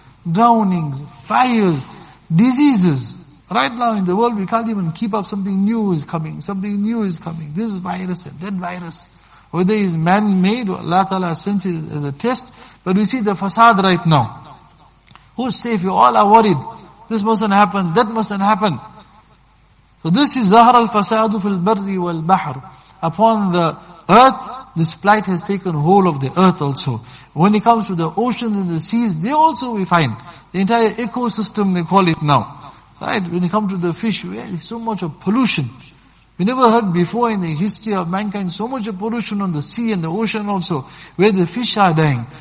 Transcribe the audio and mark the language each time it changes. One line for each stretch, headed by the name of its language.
English: Drownings, fires, diseases. Right now in the world we can't even keep up. Something new is coming. Something new is coming. This virus and that virus. Whether it is man-made or Allah Ta'ala sends it as a test. But we see the facade right now. Who's safe? You all are worried. This mustn't happen. That mustn't happen. So this is
Arabic: ظهر الفساد في البر والبحر.
English: Upon the earth, this plight has taken hold of the earth also. When it comes to the oceans and the seas, they also we find. The entire ecosystem, they call it now. Right? When it comes to the fish, there is so much of pollution. We never heard before in the history of mankind so much of pollution on the sea and the ocean also, where the fish are dying.